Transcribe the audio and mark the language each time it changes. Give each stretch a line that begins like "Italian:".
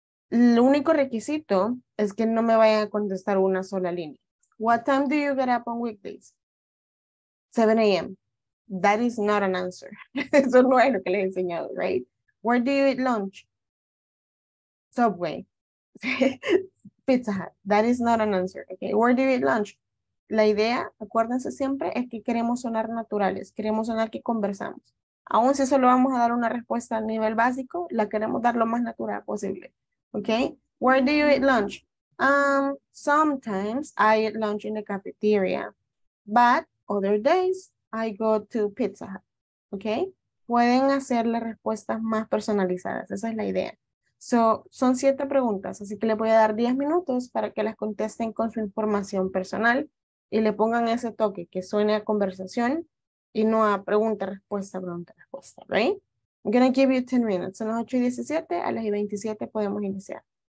Spanish: El único requisito es que no me vayan a contestar una sola línea.
English: What time do you get up on weekdays? 7 a.m. That is not an answer.
Spanish: Eso no es lo que le he enseñado, right?
English: Where do you eat lunch? Subway. Pizza Hut. That is not an answer. Okay. Where do you eat lunch?
Spanish: La idea, acuérdense siempre, es que queremos sonar naturales. Queremos sonar que conversamos. Aún si solo vamos a dar una respuesta a nivel básico, la queremos dar lo más natural posible.
English: Okay. Where do you eat lunch? Sometimes I eat lunch in the cafeteria, but other days I go to Pizza Hut.
Spanish: Okay. Pueden hacer las respuestas más personalizadas. Esa es la idea. So, son 7 preguntas, así que le voy a dar 10 minutos para que las contesten con su información personal y le pongan ese toque que suene a conversación y no a pregunta-respuesta, right?
English: I'm going to give you 10 minutes.
Spanish: Son las 8:17, a las 8:27 podemos iniciar.